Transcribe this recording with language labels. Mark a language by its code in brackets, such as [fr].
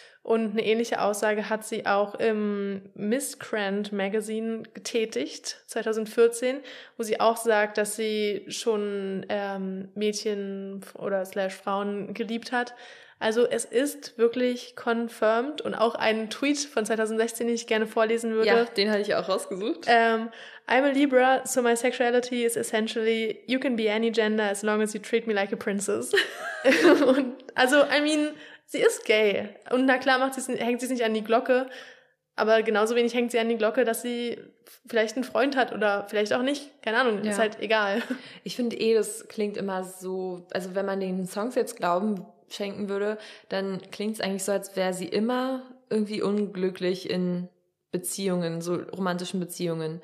[de] Und eine ähnliche Aussage hat sie auch im Miss Grand Magazine getätigt, 2014, wo sie auch sagt, dass sie schon Mädchen oder / Frauen geliebt hat. Also es ist wirklich confirmed. Und auch ein Tweet von 2016, den ich gerne vorlesen würde. Ja, den hatte ich auch rausgesucht. [en] I'm a Libra, so my sexuality is essentially you can be any gender as long as you treat me like a princess. [de] Und, also, [en] I mean, [de] sie ist gay. Und na klar hängt sie es nicht an die Glocke, aber genauso wenig hängt sie an die Glocke, dass sie vielleicht einen Freund hat oder vielleicht auch nicht. Keine Ahnung, ja. Ist halt egal. Ich finde das klingt immer so, also wenn man den Songs jetzt glauben schenken würde, dann klingt es eigentlich so, als wäre sie immer irgendwie unglücklich in Beziehungen, so romantischen Beziehungen.